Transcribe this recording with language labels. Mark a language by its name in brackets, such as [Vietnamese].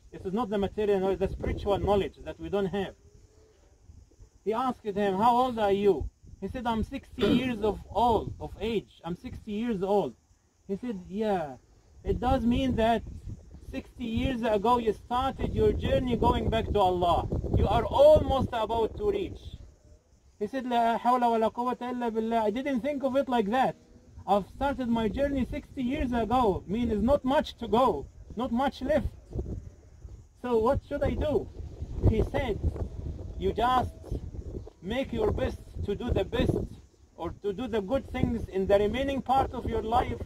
[English] It is not the material knowledge, the spiritual knowledge that we don't have. He asked him, how old are you? He said, I'm 60 years of age. I'm 60 years old. He said, yeah, it does mean that 60 years ago you started your journey going back to Allah. You are almost about to reach. He said, [Arabic] لا حول ولا قوة إلا بالله. [English] I didn't think of it like that. I've started my journey 60 years ago. I mean, it's not much to go, not much left. So what should I do? He said, you just make your best to do the best or to do the good things in the remaining part of your life.